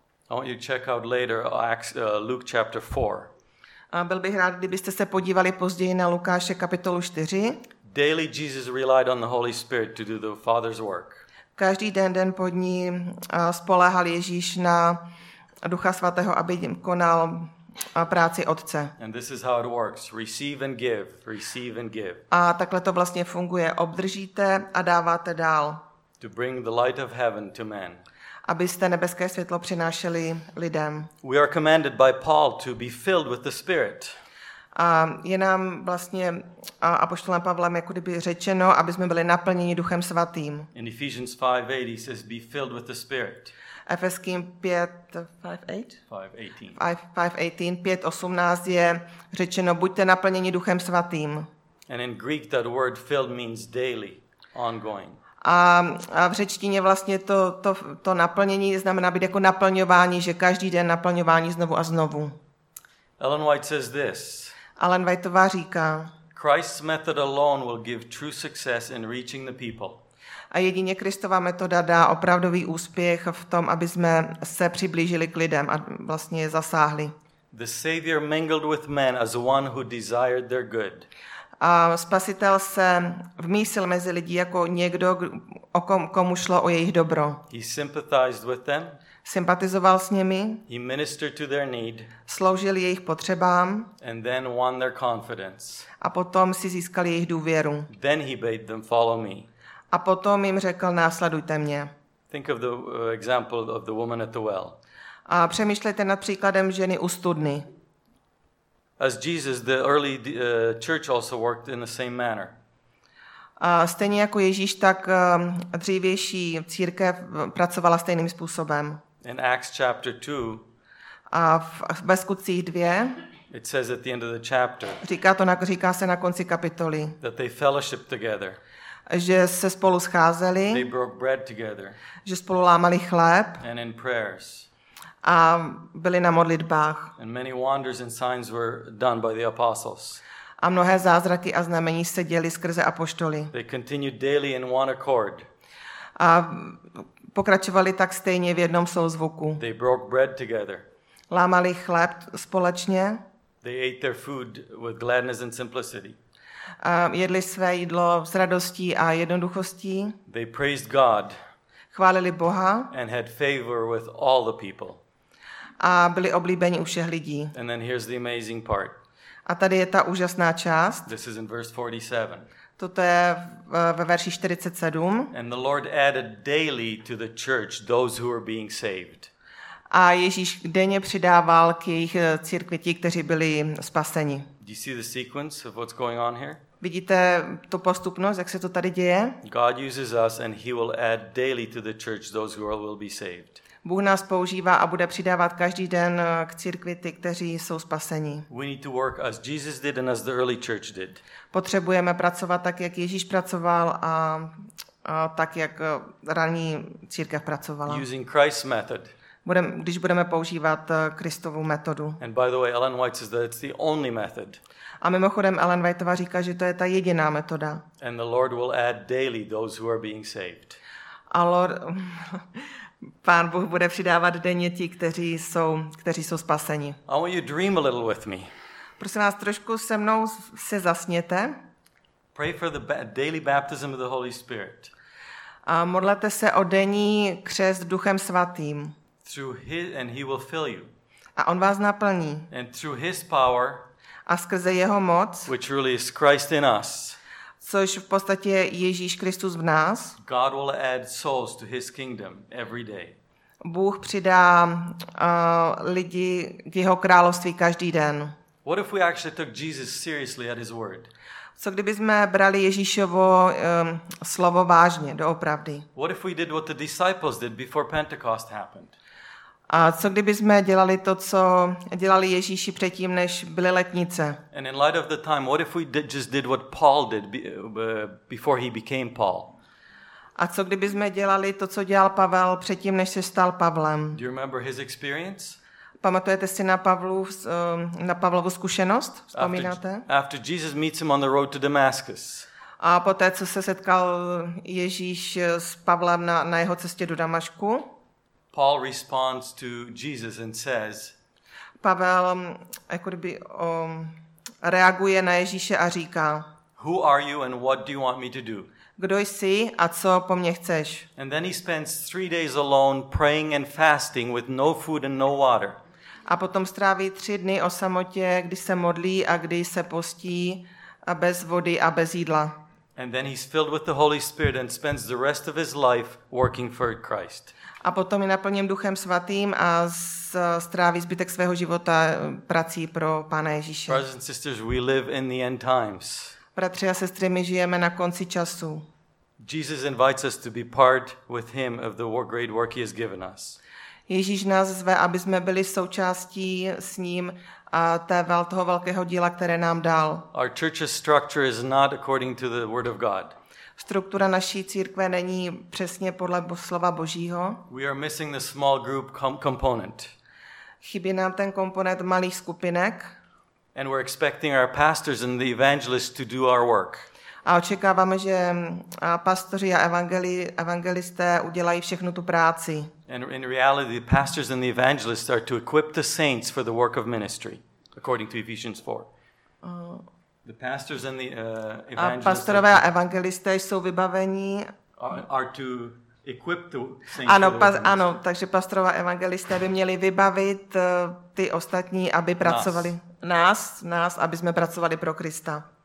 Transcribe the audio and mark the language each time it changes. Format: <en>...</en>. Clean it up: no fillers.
<en>I want you to check out later Luke chapter 4.</en> <cs>A byl bych rád, kdybyste se podívali později na Lukáše kapitolu 4.</cs> <en>Daily Jesus relied on the Holy Spirit to do the Father's work.</en> <cs>Každý den pod ní spoléhal Ježíš na Ducha svatého, aby konal práci Otce.</cs> <en>And this is how it works. Receive and give, receive and give.</en> <cs>A takhle to vlastně funguje. Obdržíte a dáváte dál.</cs> <en>To bring the light of heaven to men.</en> <cs>Abyste nebeské světlo přinášeli lidem.</cs> <en>We are commanded by Paul to be filled with the Spirit.</en> <cs>A je nám vlastně apoštolem Pavlem jako kdyby řečeno, aby jsme byli naplněni Duchem svatým.</cs> <en>In Ephesians 5:8 he says be filled with the Spirit.</en> <cs>Efeským 5:18 je řečeno buďte naplněni Duchem svatým.</cs> <en>And in Greek that word filled means daily, ongoing.</en> <cs>A v řečtině vlastně to naplnění znamená být jako naplňování, že každý den naplňování znovu a znovu.</cs> <en>Ellen White says this.</en> <cs>Ellen Whiteová říká.</cs> <en>Christ's method alone will give true success in reaching the people.</en> <cs>A jedině Kristova metoda dá opravdový úspěch v tom, aby jsme se přiblížili k lidem a vlastně je zasáhli.</cs> <en>The Savior mingled with men as one who desired their good.</en> <cs>A Spasitel se vmísil mezi lidi jako někdo, komu šlo o jejich dobro.</cs> <en>He sympathized with them.</en> <cs>Sympatizoval s nimi.</cs> <en>He ministered to their need.</en> <cs>Sloužil jejich potřebám.</cs> <en>And then won their confidence.</en> <cs>A potom si získal jejich důvěru.</cs> <en>Then he bade them follow me.</en> <cs>A potom jim řekl, následujte mě.</cs> <en>Think of the example of the woman at the well.</en> <cs>A přemýšlejte nad příkladem ženy u studny.</cs> <en>As Jesus, the early church also worked in the same manner.</en> <cs>A stejně jako Ježíš, tak dřívější církev pracovala stejným způsobem.</cs> <en>In Acts chapter 2.</en> <cs>A ve Skutcích 2.</cs> <en>It says at the end of the chapter.</en> <cs>Říká se na konci kapitoly.</cs> <en>That they fellowshiped together.</en> <cs>Že se spolu scházeli.</cs> <en>They broke bread together.</en> <cs>Že spolu lámali chléb.</cs> <en>And in prayers.</en> <cs>A byli na modlitbách.</cs> <en>And many wonders and signs were done by the apostles.</en> <cs>A mnohé zázraky a znamení se děly skrze apoštoly.</cs> <en>They continued daily in one accord.</en> <cs>A pokračovali tak stejně v jednom souzvuku.</cs> <en>They broke bread together.</en> <cs>Lámali chléb společně.</cs> <en>They ate their food with gladness and simplicity.</en> <cs>A jedli své jídlo s radostí a jednoduchostí.</cs> <en>They praised God.</en> <cs>Chválili Boha.</cs> <en>And had favor with all the people.</en> <cs>A byli oblíbeni u všech lidí.</cs> <en>And then here's the amazing part.</en> <cs>A tady je ta úžasná část.</cs> <en>This is in verse 47.</en> <cs>Toto je ve verši 47.</cs> <en>And the Lord added daily to the church those who were being saved.</en> <cs>A Ježíš denně přidával k jejich církvi ti, kteří byli spaseni.</cs> <en>Do you see the sequence of what's going on here?</en> <cs>Vidíte tu postupnost, jak se to tady děje?</cs> <en>God uses us and he will add daily to the church those who will be saved.</en> <cs>Bůh nás používá a bude přidávat každý den k církvi ty, kteří jsou spaseni.</cs> <en>We need to work as Jesus did and as the early church did.</en> <cs>Potřebujeme pracovat tak, jak Ježíš pracoval a tak, jak ranní církev pracovala.</cs> <en>Using Christ's method.</en> <cs>Když budeme používat Kristovu metodu.</cs> <en>And by the way, Ellen White says that it's the only method.</en> <cs>A mimochodem Ellen Whiteová říká, že to je ta jediná metoda.</cs> <en>And the Lord will add daily those who are being saved.</en> <cs>A Lord... Pán Bůh bude přidávat denně ti, kteří jsou spaseni.</cs> <en>I want you to dream a little with me.</en> <cs>Prosím vás, trošku se mnou se zasněte.</cs> <en>Pray for the daily baptism of the Holy Spirit.</en> <cs>A modlete se o denní křest Duchem svatým.</cs> <en>Through his, and he will fill you.</en> <cs>A on vás naplní.</cs> <en>And through his power.</en> <cs>A skrze jeho moc.</cs> <en>Which really is Christ in us.</en> <cs>Což v podstatě Ježíš Kristus v nás.</cs> <en>God will add souls to his kingdom every day.</en> <cs>Bůh přidá lidi k jeho království každý den.</cs> <en>What if we actually took Jesus seriously at his word?</en> <cs>Co kdyby jsme brali Ježíšovo slovo vážně, doopravdy?</cs> <en>What if we did what the disciples did before Pentecost happened?</en> <cs>A co kdyby jsme dělali to, co dělali Ježíši předtím, než byly letnice?</cs> <en>And in light of the time, what if we did, just did what Paul did before he became Paul?</en> <cs>A co kdyby jsme dělali to, co dělal Pavel předtím, než se stal Pavlem?</cs> <en>Do you remember his experience?</en> <cs>Pamatujete si na Pavlovu zkušenost? Vzpomínáte?</cs> <en>After Jesus meets him on the road to Damascus.</en> <cs>A poté, co se setkal Ježíš s Pavlem na jeho cestě do Damašku?</cs> <en>Paul responds to Jesus and says.</en> <cs>Pavel jakoby reaguje na Ježíše a říká.</cs> <en>Who are you and what do you want me to do?</en> <cs>Kdo jsi a co po mně chceš?</cs> <en>And then he spends 3 days alone praying and fasting with no food and no water.</en> <cs>A potom stráví 3 dny o samotě, kdy se modlí a kdy se postí a bez vody a bez jídla.</cs> <en>And then he's filled with the Holy Spirit and spends the rest of his life working for Christ.</en> <cs>A potom je naplněn Duchem Svatým a stráví zbytek svého života prací pro Pána Ježíše.</cs> <en>Brothers and sisters, we live in the end times.</en> <cs>Bratři a sestry, my žijeme na konci času.</cs> <en>Jesus invites us to be part with him of the great work he has given us.</en> <cs>Ježíš nás zve, aby jsme byli součástí s ním a toho velkého díla, které nám dal.</cs> <en>Our church's structure is not according to the word of God.</en> <cs>Struktura naší církve není přesně podle slova Božího.</cs> <en>We are missing the small group component.</en> <cs>Chybí nám ten komponent malých skupinek.</cs> <en>And we're expecting our pastors and the evangelists to do our work.</en> <cs>A očekáváme, že pastoři a evangelisté udělají všechnu tu práci.</cs> <en>And in reality, the pastors and the evangelists are to equip the saints for the work of ministry, according to Ephesians 4. The pastors and the evangelists.</en> <cs>A pastorové a evangelisté jsou vybaveni.</cs> <en>Are to equip the saints.</en> <cs>Ano, takže pastorové evangelisté by měli vybavit ty ostatní, aby pracovali nás, aby jsme pracovali pro Krista.</cs>